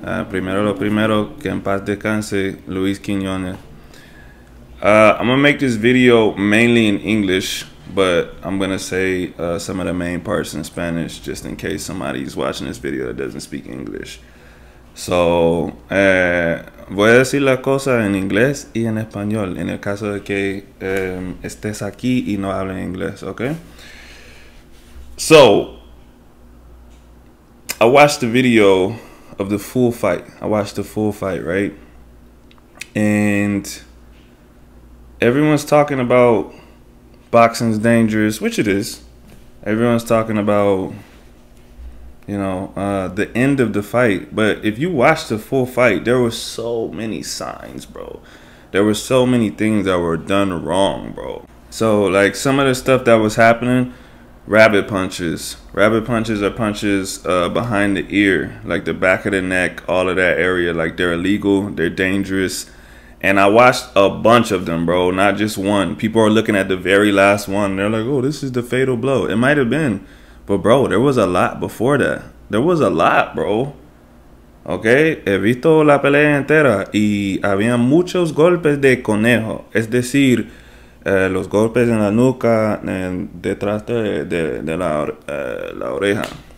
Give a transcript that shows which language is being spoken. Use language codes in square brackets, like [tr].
[es] Primero lo primero, que en paz descanse, Luis Quiñones. [en] I'm going to make this video mainly in English, but I'm going to say some of the main parts in Spanish just in case somebody's watching this video that doesn't speak English. So, [es] voy a decir la cosa en inglés y en español en el caso de que estés aquí y no hables inglés, okay? [en] So, I watched the video of the full fight. I watched the full fight, right? And everyone's talking about boxing's dangerous, which it is. Everyone's talking about, you know, the end of the fight. But if you watch the full fight, there were so many signs, bro. There were so many things that were done wrong, bro. So, like, some of the stuff that was happening, rabbit punches. Rabbit punches are punches behind the ear, like the back of the neck, all of that area. Like, they're illegal. They're dangerous. And I watched a bunch of them, bro, not just one. People are looking at the very last one. They're like, oh, this is the fatal blow. It might have been. But, bro, there was a lot before that. There was a lot, bro. Okay? [es] He visto la pelea entera y había muchos golpes de conejo. Es decir, los golpes en la nuca, detrás de la oreja.